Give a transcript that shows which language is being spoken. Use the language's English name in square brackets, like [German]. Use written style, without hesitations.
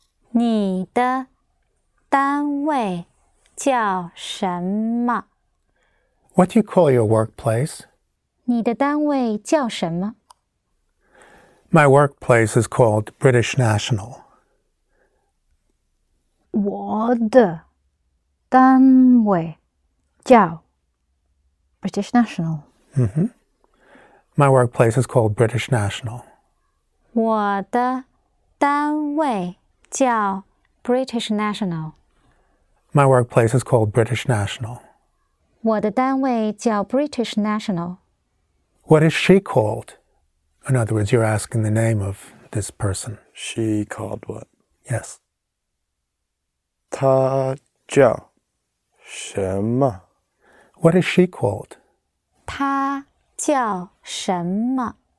[Chinese] 你的单位叫什么? [English] What do you call your workplace? [Chinese] 你的单位叫什么? [English] My workplace is called British National. [Chinese] 我的单位叫 British National. [English] My workplace is called British National. [Chinese] 我的单位叫 British National. [English] My workplace is called British National. [Chinese] 我的单位叫 British National. [English] What is she called? In other words, you're asking the name of this person. She called what? Yes. [Chinese] 她叫什么? [English] What is she called? [Chinese] 她叫什么?